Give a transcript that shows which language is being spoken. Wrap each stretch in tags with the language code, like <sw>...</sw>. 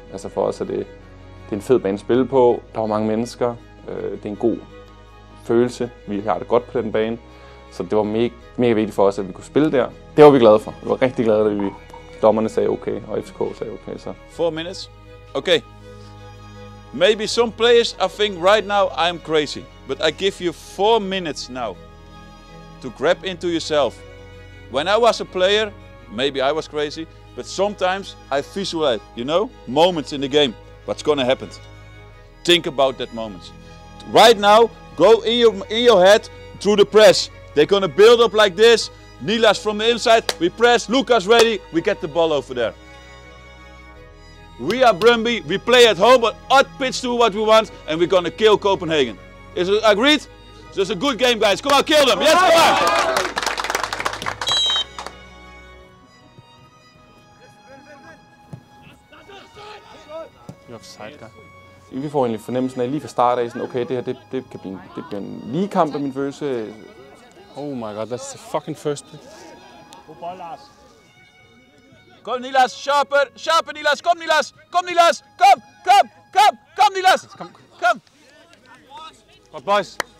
<da>Altså for os er det er en fed bane at spille på. Der var mange mennesker. Det er en god følelse. Vi har det godt på den bane. Så det var mega vigtigt for os, at vi kunne spille der. Det var vi glade for. Vi var rigtig glade, da dommerne sagde okay, og FCK sagde okay. Så.</da> <en>4 minutes. Okay. Maybe some players I think right now I'm crazy. But I give you 4 minutes now to grab into yourself. When I was a player, maybe I was crazy, but sometimes I visualize, you know, moments in the game, what's gonna happen. Think about that moment. Right now, go in your head through the press. They're gonna build up like this. Nilas from the inside, we press, Lucas ready, we get the ball over there. We are Brøndby, we play at home, but odd pitch do what we want, and we're gonna kill Copenhagen. Is it agreed? So it's a good game, guys. Come on, kill them. Yes, come on. You're offside, guy.</en> <da>Vi får egentlig fornemmelsen af lige fra start af, sådan, okay, det her det kan blive det bliver en lige kamp af min følelse.</da> <en>Oh my god, that's the fucking first play.</en> <da>Kom, Nilas.</da> <en>Sharper. Sharper,</en> <da>Nilas. Kom, Nilas. Kom, Nilas. Kom, kom, kom. Kom, Nilas. Kom. Kom. Kom, boys.</da>